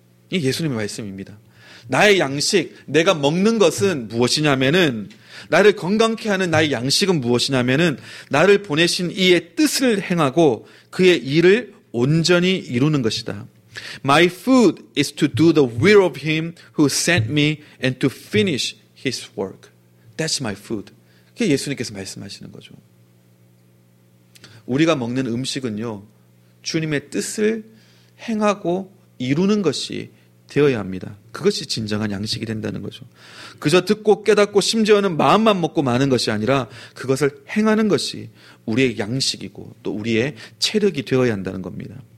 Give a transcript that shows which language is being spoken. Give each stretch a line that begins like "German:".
Korean: 이 예수님의 말씀입니다. 나의 양식, 내가 먹는 것은 무엇이냐면은, 나를 건강케 하는 나의 양식은 무엇이냐면은, 나를 보내신 이의 뜻을 행하고 그의 일을 온전히 이루는 것이다.
English: My food is to do the will of him who sent me and to finish His work. That's my food.
Korean: 그게 예수님께서 말씀하시는 거죠. 우리가 먹는 음식은요, 주님의 뜻을 행하고 이루는 것이 되어야 합니다. 그것이 진정한 양식이 된다는 거죠. 그저 듣고 깨닫고 심지어는 마음만 먹고 마는 것이 아니라 그것을 행하는 것이 우리의 양식이고 또 우리의 체력이 되어야 한다는 겁니다.